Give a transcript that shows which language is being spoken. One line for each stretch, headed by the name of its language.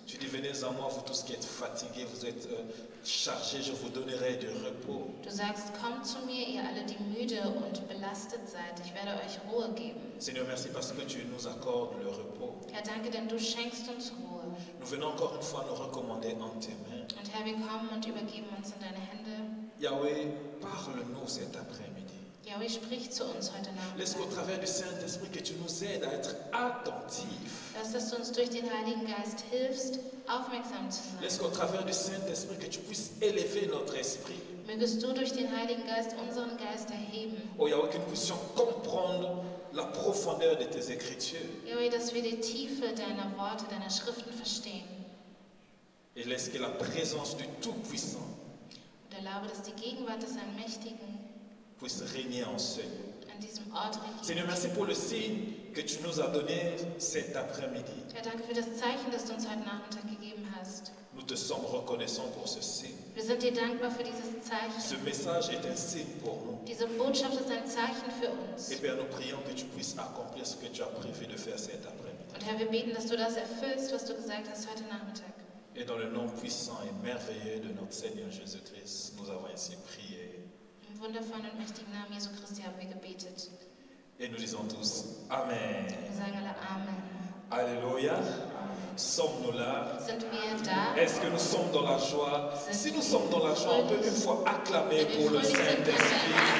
French: Tu dis, venez à moi, vous tous qui êtes fatigués, vous êtes chargés, je vous donnerai du repos.
German: Du sagst, kommt zu mir, ihr alle, die müde und belastet seid, ich werde euch Ruhe geben.
French: Seigneur, merci parce que tu nous accordes le repos.
German: Herr, danke, denn du schenkst uns Ruhe.
French: Nous venons encore une fois nous recommander en tes mains.
German: Und Herr, wir kommen und übergeben uns in deine Hände.
French: Yahweh, parle-nous cet après-midi.
German: Yahweh, sprich zu uns heute Nachmittag.
French: Laisse au travers du Saint-Esprit que tu nous aides à être attentifs.
German: Lass, dass du uns durch den Heiligen Geist hilfst, aufmerksam zu sein.
French: Laisse au travers du Saint-Esprit que tu puisses élever notre esprit.
German: Mögest du durch den Heiligen Geist unseren Geist erheben.
French: Oh Yahweh, que nous puissions comprendre la profondeur de tes écritures.
German: Yahweh, dass wir die Tiefe deiner Worte, deiner Schriften verstehen.
French: Et laisse que la présence du Tout-Puissant.
German: Und erlaube, dass die Gegenwart des Allmächtigen
French: puisse régner en ce lieu. Seigneur, merci pour le signe que tu nous as donné cet après-midi.
German: Ja, danke für das Zeichen, das du uns heute Nachmittag gegeben hast.
French: Nous te sommes reconnaissants pour ce signe.
German: Wir sind dir dankbar für dieses Zeichen.
French: Ce message est un signe pour nous.
German: Diese Botschaft ist ein Zeichen für uns.
French: Et bien, nous prions que tu puisses accomplir ce que tu as prévu de faire cet après-midi.
German: Und Herr, wir beten, dass du das erfüllst, was du gesagt hast heute Nachmittag.
French: Et dans le nom puissant et merveilleux de notre Seigneur Jésus-Christ, nous avons ainsi prié.
German: Im wundervollen und mächtigen Namen Jesu Christi haben wir gebetet.
French: Et nous disons tous Amen.
German: Wir sagen alle Amen.
French: Alléluia. Sommes-nous là?
German: Sind wir da?
French: Est-ce que nous sommes dans la joie? Si nous sommes dans la joie, on peut une fois acclamer pour le Saint-Esprit.